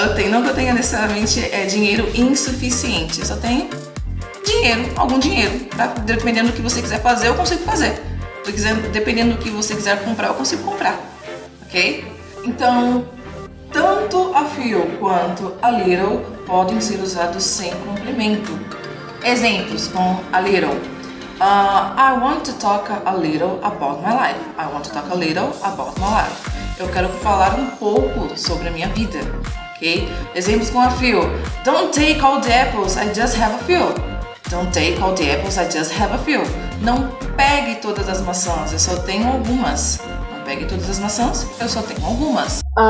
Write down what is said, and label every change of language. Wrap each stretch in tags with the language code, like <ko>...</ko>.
<pt>Não que eu tenha necessariamente dinheiro insuficiente, eu só tenho dinheiro, algum dinheiro. Tá? Dependendo do que você quiser fazer, eu consigo fazer. Dependendo do que você quiser comprar, eu consigo comprar. Ok? Então, tanto a few quanto a little podem ser usados sem complemento. Exemplos com a little.</pt> <en>I want to talk a little about my life. I want to talk a little about my life.</en> <pt>Eu quero falar um pouco sobre a minha vida. Okay? Exemplos com a few.</pt> <en>Don't take all the apples, I just have a few. Don't take all the apples, I just have a few.</en> <pt>Não pegue todas as maçãs, eu só tenho algumas. Não pegue todas as maçãs, eu só tenho algumas.</pt>